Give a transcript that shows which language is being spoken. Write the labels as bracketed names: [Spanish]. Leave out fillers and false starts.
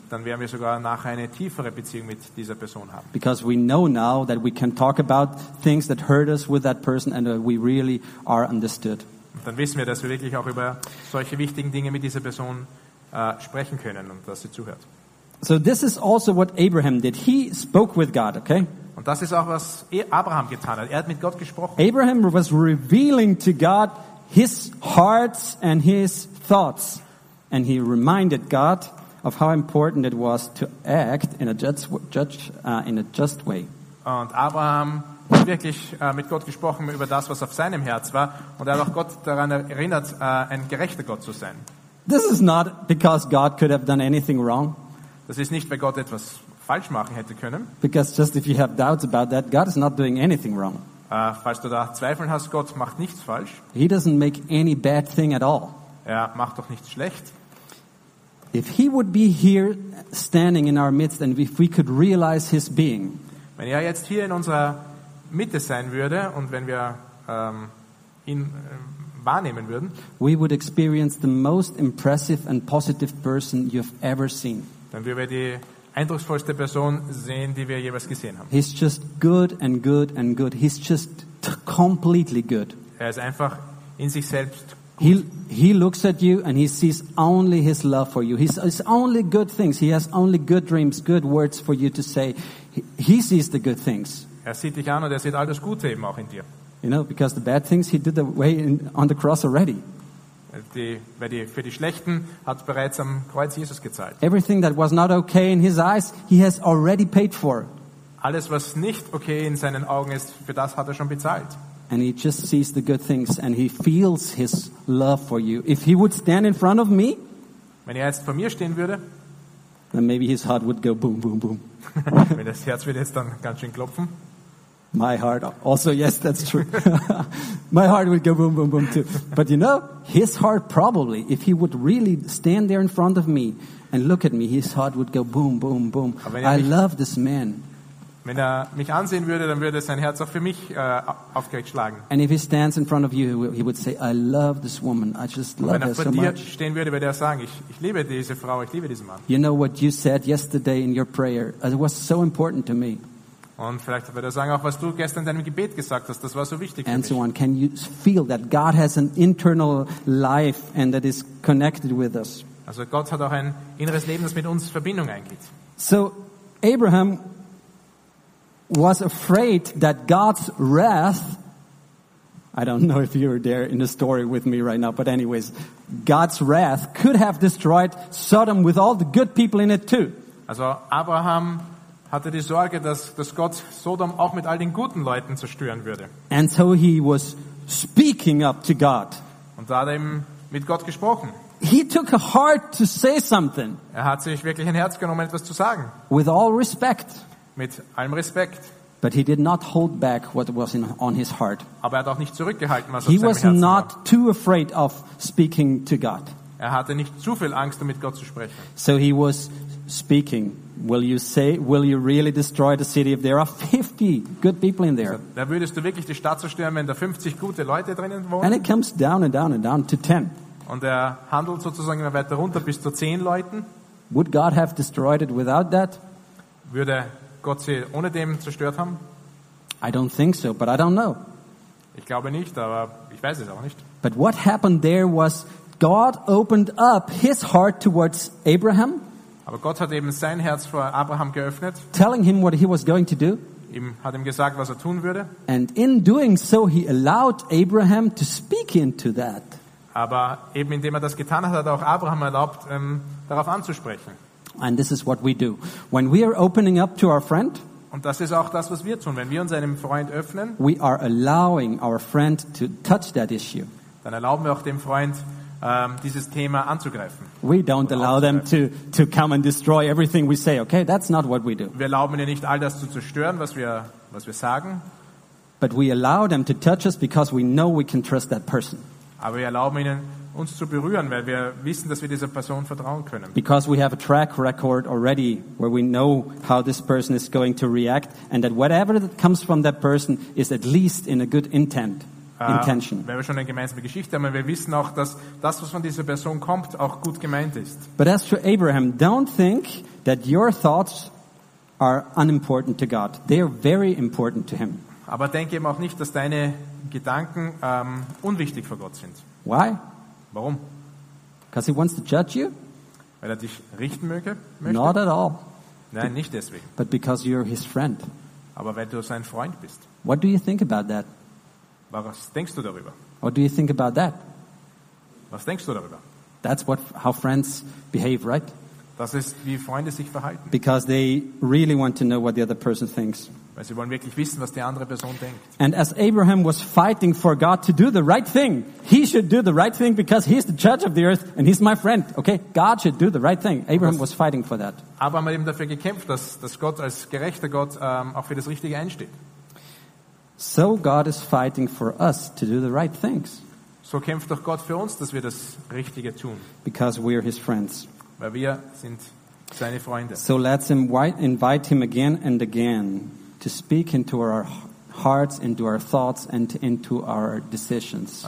[German] Dann werden wir sogar nachher eine tiefere Beziehung mit dieser Person haben. [English] Because we know now that we can talk about things that hurt us with that person and we really are understood. [German] Und dann wissen wir, dass wir wirklich auch über solche wichtigen Dinge mit dieser Person sprechen können und dass sie zuhört. [English] So this is also what Abraham did. He spoke with God, okay? [German] Und das ist auch, was Abraham getan hat. Er hat mit Gott gesprochen. [English] Abraham was revealing to God his hearts and his thoughts. And he reminded God of how important it was to act in a just way. [German] Und Abraham hat wirklich mit Gott gesprochen über das, was auf seinem Herz war. Und er hat auch Gott daran erinnert, ein gerechter Gott zu sein. [English] This is not because God could have done anything wrong. [German] Das ist nicht, weil Gott etwas falsch machen hätte können. [English] Because just if you have doubts about that, God is not doing anything wrong. [German] Falls du da Zweifel hast, Gott macht nichts falsch. [English] He doesn't make any bad thing at all. [German] Er macht doch nichts schlecht. [English] If he would be here standing in our midst and if we could realize his being. [German] Wenn er jetzt hier in unserer Mitte sein würde und wenn wir ihn wahrnehmen würden, [English] we would experience the most impressive and positive person you've ever seen. [German] Dann würden wir die eindrucksvollste Person sehen, die wir jeweils gesehen haben. [English] He's just good and good and good. He's just completely good. [German] Er ist einfach in sich selbst gut. [English] He looks at you and he sees only his love for you. He's only good things. He has only good dreams, good words for you to say. He sees the good things. [German] Er sieht dich an und er sieht all das Gute eben auch in dir. [English] You know, because the bad things he did away on the cross already. [German] Für die Schlechten hat bereits am Kreuz Jesus gezahlt. [English] Everything that was not okay in his eyes, he has already paid for. [German] Alles, was nicht okay in seinen Augen ist, für das hat er schon bezahlt. [English] And he just sees the good things and he feels his love for you. If he would stand in front of me, [German] wenn er jetzt vor mir stehen würde, [English] then maybe his heart would go boom, boom, boom. [German] Wenn das Herz würde jetzt dann ganz schön klopfen. [English] My heart also, yes, that's true. My heart would go boom, boom, boom too. But you know, his heart probably, if he would really stand there in front of me and look at me, his heart would go boom, boom, boom. I love this man. [German] Wenn er mich ansehen würde, dann würde sein Herz auch für mich aufgeregt schlagen. [English] And if he stands in front of you, he would say, I love this woman. I just love her so much. [German] Wenn er vor dir stehen würde, würde er sagen, ich liebe diese Frau, ich liebe diesen Mann. [English] You know what you said yesterday in your prayer? It was so important to me. [German] Und vielleicht würde er sagen, auch was du gestern in deinem Gebet gesagt hast, das war so wichtig [English] and [German] für mich. [English] And so on. Can you feel that God has an internal life and that is connected with us? [German] Also Gott hat auch ein inneres Leben, das mit uns Verbindung eingeht. [English] So Abraham was afraid that God's wrath, I don't know if you were there in the story with me right now, but anyways, God's wrath could have destroyed Sodom with all the good people in it too. [German] Also Abraham hatte die Sorge, dass Gott Sodom auch mit all den guten Leuten zerstören würde. [English] And so he was speaking up to God. [German] Und da hat er mit Gott gesprochen. [English] He took a heart to say something. [German] Er hat sich wirklich ein Herz genommen, etwas zu sagen. [English] With all respect. [German] Mit allem Respekt. [English] But he did not hold back what was on his heart. [German] Aber er hat auch nicht zurückgehalten, was auf seinem Herzen war. [English] He was not too afraid of speaking to God. [German] Er hatte nicht zu viel Angst, um mit Gott zu sprechen. [English] So he was speaking. Will you really destroy the city if there are 50 good people in there? [German] Da würdest du wirklich die Stadt zerstören, wenn da 50 gute Leute drinnen wohnen? [English] And it comes down and down and down to 10. [German] Und er handelt sozusagen immer weiter runter bis zu 10 Leuten. [English] Would God have destroyed it without that? [German] Würde Gott sie ohne dem zerstört haben? [English] I don't think so, but I don't know. [German] Ich glaube nicht, aber ich weiß es auch nicht. [English] But what happened there was God opened up his heart towards Abraham. [German] Aber Gott hat eben sein Herz vor Abraham geöffnet. [English] Telling him what he was going to do. [German] Ihm hat ihm gesagt, was er tun würde. [English] And in doing so he allowed Abraham to speak into that. [German] Aber eben indem er das getan hat, hat auch Abraham erlaubt, darauf anzusprechen. [English] And this is what we do. When we are opening up to our friend, [German] und das ist auch das, was wir tun, wenn wir uns einem Freund öffnen, [English] we are allowing our friend to touch that issue. [German] Dann erlauben wir auch dem Freund, dieses Thema anzugreifen. [English] We don't allow them to come and destroy everything we say, okay? That's not what we do. [German] Wir erlauben ihnen nicht all das zu zerstören, was wir sagen. [English] But we allow them to touch us because we know we can trust that person. [German] Aber wir erlauben ihnen uns zu berühren, weil wir wissen, dass wir dieser Person vertrauen können. [English] Because we have a track record already where we know how this person is going to react and that whatever that comes from that person is at least in a good intent. intention. [German] Wenn wir schon eine gemeinsame Geschichte haben, wir wissen auch, dass das, was von dieser Person kommt, auch gut gemeint ist. [English] But as to Abraham, don't think that your thoughts are unimportant to God. They are very important to him. [German] Aber denke eben auch nicht, dass deine Gedanken unwichtig vor Gott sind. [English] Why? [German] Warum? [English] Because he wants to judge you? [German] Weil er dich richten möge, [English] Not at all. [German] Nein, nicht deswegen. [English] But because you're his friend. [German] Aber weil du sein Freund bist. [English] What do you think about that? [German] Was denkst du darüber? [English] What do you think about that? [German] Was denkst du darüber? [English] That's what how friends behave, right? [German] Das ist, wie Freunde sich verhalten. [English] Because they really want to know what the other person thinks. [German] Weil sie wollen wirklich wissen, was die andere Person denkt. [English] And as Abraham was fighting for God to do the right thing, he should do the right thing because he's the judge of the earth and he's my friend. Okay, God should do the right thing. Abraham was fighting for that. [German] Aber man hat eben dafür gekämpft, dass Gott als gerechter Gott auch für das Richtige einsteht. [English] So God is fighting for us to do the right things. [German] So kämpft doch Gott für uns, dass wir das Richtige tun. [English] Because we are his friends. [German] Weil wir sind seine Freunde. [English] So let's invite him again and again to speak into our hearts, into our thoughts, and into our decisions.